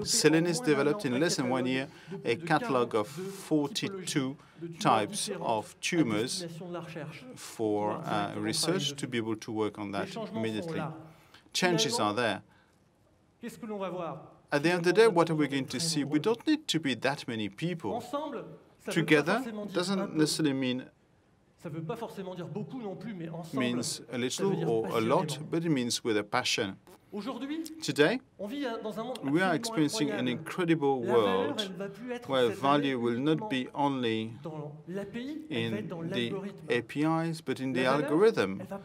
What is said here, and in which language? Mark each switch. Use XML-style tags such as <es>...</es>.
<en>Selenis developed in less than 1 year a catalogue of 42 types of tumours for research to be able to work on that immediately. Changes are there. At the end of the day, what are we going to see? We don't need to be that many people. Together doesn't necessarily mean</en> <fr>ça veut pas forcément dire beaucoup non plus, mais ensemble,</fr> <en>means a little or a lot, but it means with a passion.</en> <fr>Aujourd'hui,</fr> <en>today,</en> <fr>on vit dans un monde</fr> <en>we are experiencing</en> <fr>incroyable.</fr> <en>An incredible world where value will not be only in the APIs, but in the algorithm.</en>